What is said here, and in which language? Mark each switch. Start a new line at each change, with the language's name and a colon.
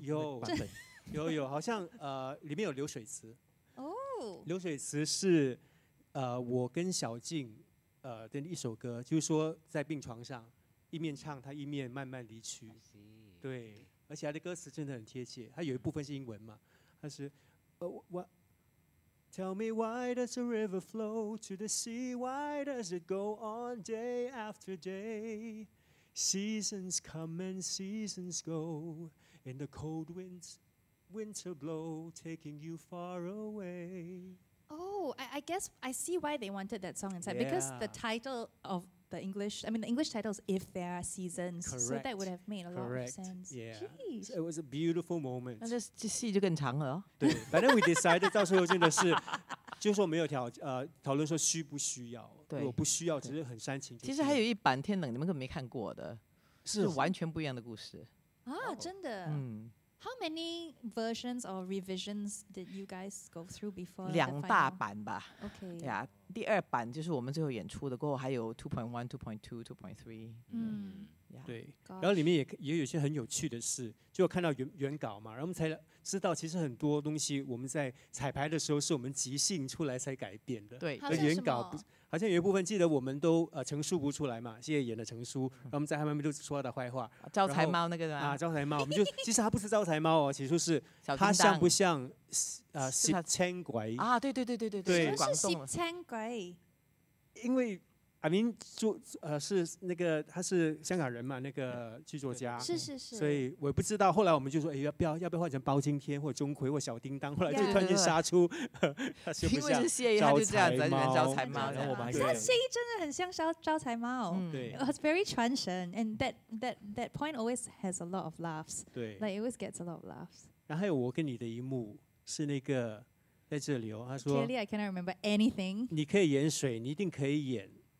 Chinese: 有版本，有好像里面有流水词，流水词是我跟小静的一首歌，就是说在病床上一面唱他一面慢慢离去，对，而且他的歌词真的很贴切，他有一部分是英文嘛，他是我。
English: Tell me why does a river flow to the sea? Why does it go on day after day? Seasons come and seasons go, and the cold winds, winter blow, taking you far away. Oh, I guess I see why they wanted that song inside, because the title of the English title is If There Are Seasons. Correct. So that would have made a Correct. Lot of sense. Yeah. Jeez. So it was a beautiful moment. And this scene
Chinese: 就更长了。对，反正
English: we decided
Chinese: 到时候真的是，就说没有讨论说需不需要。对。如果不需要，只是很煽情。其实还有一版《天冷》，你们根本没看过的，是完全不一样的故事。啊，真的。
English: How many versions or revisions did you guys go through before?
Chinese: 两大版吧。
English: Okay.
Chinese: Yeah, 第二版就是我们最后演出的，过后还有 2.1, 2.2, 2.3. 嗯。对。然后里面也有些很有趣的事，就看到原稿嘛，然后我们才知道其实很多东西我们在彩排的时候是我们即兴出来才改变的。对。而原稿不好像有一部分记得我们都成书不出来嘛，谢谢演的成书，然后我们在他们面都说他的坏话，招财猫那个的啊，招财猫，我们就其实他不是招财猫哦，起初是他像不像十千鬼啊？对对对对对，什么是十千鬼？因为
English: I mean,
Chinese: 是那个他是香港人嘛，那个剧作家。是是是。所以我不知道，后来我们就说，哎，要不要换成包青天或钟馗或小叮当？后来就突然间杀出，因为是谢衣，他就这样在里面招财猫。然后我们还谢衣真的很像招财猫。对。
English: It's very 传神 ，and that point always has a lot of laughs.
Chinese: 对。
English: Like it always gets a lot of laughs.
Chinese: 然后还有我跟你的一幕是那个在这里哦，他说
English: ，Clearly I cannot remember anything.
Chinese: 你可以演水，你一定可以演。